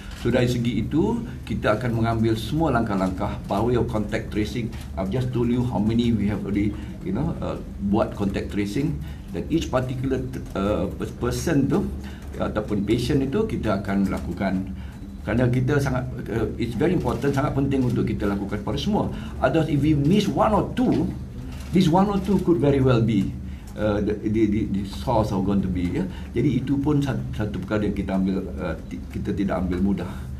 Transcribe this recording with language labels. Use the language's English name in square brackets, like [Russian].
[Malay] So dari segi itu, kita akan mengambil semua langkah-langkah [English] power of contact tracing. I've just told you how many we have already, you know, buat contact tracing. [Malay] Dan [English] each particular person [Malay] tu, ataupun patient itu, kita akan lakukan. Kerana kita sangat, [English] it's very important, [Malay] sangat penting untuk kita lakukan pada semua. [English] Otherwise, if we miss one or two, this one or two could very well be the source are going to be, yeah? [Malay] Jadi itu pun satu perkara yang kita ambil, kita tidak ambil mudah.